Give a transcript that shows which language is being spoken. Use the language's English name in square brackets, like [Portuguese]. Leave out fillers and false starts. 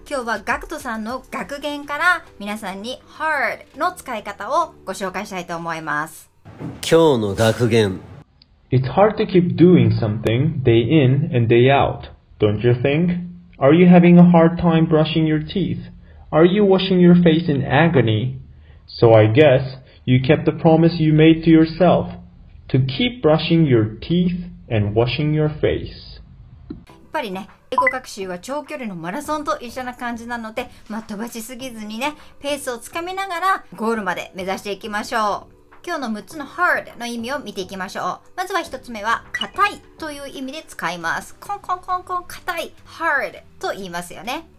[Japanese] 今日はガクトさんの学言から皆さんに Hard の使い方をご紹介したいと思います。今日の学言、 [English] It's hard to keep doing something day in and day out, don't you think? Are you having a hard time brushing your teeth? Are you washing your face in agony? So I guess you kept the promise you made to yourself to keep brushing your teeth and washing your face. [Japanese] やっぱりね、英語学習は長距離のマラソンと一緒な感じなので、まあ、飛ばしすぎずにね、ペースをつかみながらゴールまで目指していきましょう。今日の6つの hard の意味を見ていきましょう。まずは1つ目は、硬いという意味で使います。コンコンコンコン、硬い、hard と言いますよね。